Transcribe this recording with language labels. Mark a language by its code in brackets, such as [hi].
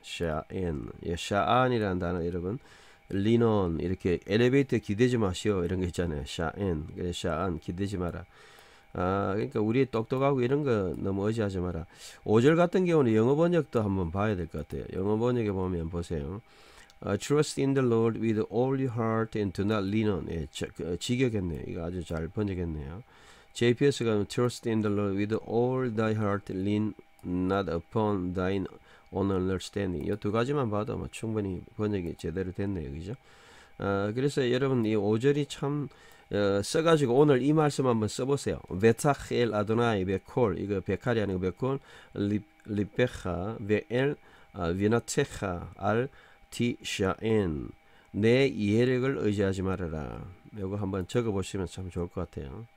[ko] 샤안, 샤안이라는 단어 여러분 리논 이렇게 엘리베이터 기대지 마시오 이런 거 있잖아요. 샤안, 그래 샤안 기대지 마라. 그러니까 우리 똑똑하고 이런 거 너무 의지하지 마라. 5절 같은 경우는 영어 번역도 한번 봐야 될것 같아요. 영어 번역에 보면 보세요. [en] Trust in the Lord with all your heart and do not lean on. [ko] 예, 직역했네요. 이거 아주 잘 번역했네요. [en] JPS가 Trust in the Lord with all thy heart, lean not upon thine own understanding. [ko] 이두 가지만 봐도 뭐 충분히 번역이 제대로 됐네요, 그죠? 그래서 여러분 이 5절이 참 써가지고 오늘 이 말씀 한번 써보세요. [he] 베타헬 아도나이 베콜, [ko] 이거 베칼이 아니고 [he] 베콜 리페하 베엘 위나테하 알 티샤엔. [ko] 내 이해력을 의지하지 말아라. 요거 한번 적어보시면 참 좋을 것 같아요.